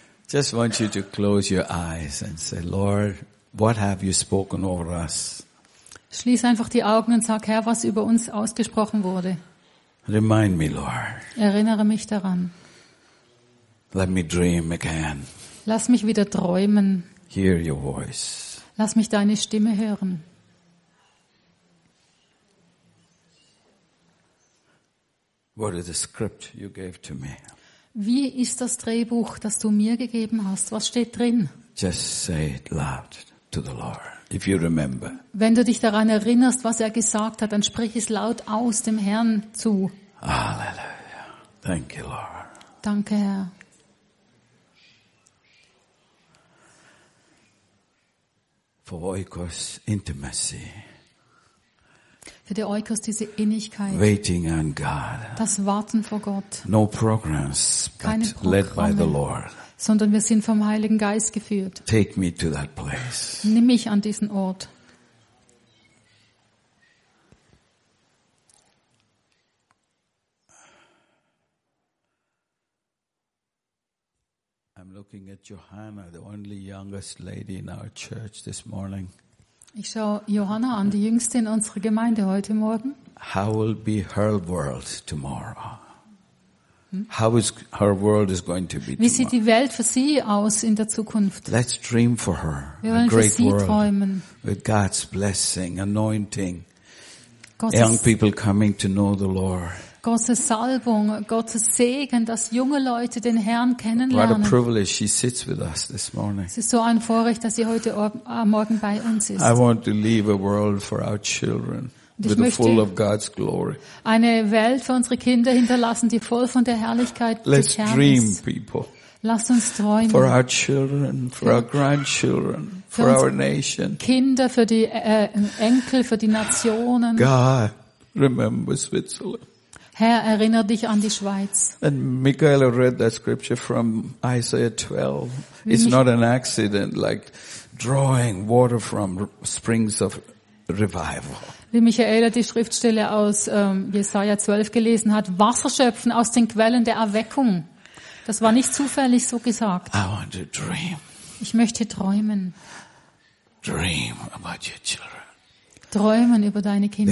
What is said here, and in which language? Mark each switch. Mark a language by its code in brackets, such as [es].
[en] just want you to close your eyes and say, Lord, what have you spoken over us? [de] Schließ einfach die Augen und sag, Herr, was über uns ausgesprochen wurde. [en] Remind me, Lord. [de] Erinnere mich daran. [en] Let me dream again. [de] Lass mich wieder träumen. [en] Hear your voice. [de] Lass mich deine Stimme hören. [en] What is the script you gave to me? [de] Wie ist das Drehbuch, das du mir gegeben hast? Was steht drin? [en] Just say it loud to the Lord, if you remember. [de] Wenn du dich daran erinnerst, was er gesagt hat, dann sprich es laut aus dem Herrn zu. [en] Halleluja. Thank you, Lord. [de] Danke, Herr. [en] For Oikos intimacy. [de] Für die Oikos diese Innigkeit. [en] Waiting on God. [de] Das Warten vor Gott. [en] No programs, [de] keine [en] but [de] Programme, [en] led by the Lord. [de] Sondern wir sind vom Heiligen Geist geführt. [en] Take me to that place. [de] Nimm mich an diesen Ort. [en] I'm looking at Johanna, the only youngest lady in our church this morning. [de] Ich schaue Johanna an, die jüngste in unserer Gemeinde heute Morgen. [en] How will be her world tomorrow? How is her world is going to be tomorrow? [de] Wie sieht die Welt für sie aus in der Zukunft? [en] Let's dream for her. [de] Wir wollen für sie träumen. [en] With God's blessing, anointing. Young people coming to know the Lord. [de] Gottes Salbung, Gottes Segen, dass junge Leute den Herrn kennenlernen. [en] What a privilege she sits with us this morning. [de] Es ist so ein Vorrecht, dass sie heute Morgen bei uns ist. [en] I want to leave a world for our children with full of God's glory. [de] Eine Welt für unsere Kinder hinterlassen, die voll von der Herrlichkeit des Herrn ist. [en] Let's dream, people. [de] Lasst uns träumen. [en] For our children, for our grandchildren, for our nation. [de] Kinder, für die Enkel, für die Nationen. [en] God, remember Switzerland. [de] Herr, erinnere dich an die Schweiz. [en] And Michaela read that scripture from Isaiah 12. It's not an accident, like drawing water from springs of revival. [de] Wie Michaela die Schriftstelle aus Jesaja 12 gelesen hat, Wasser schöpfen aus den Quellen der Erweckung. Das war nicht zufällig so gesagt. [en] I want to dream. [de] Ich möchte träumen. [en] Dream about your children. [de] Träumen über deine Kinder.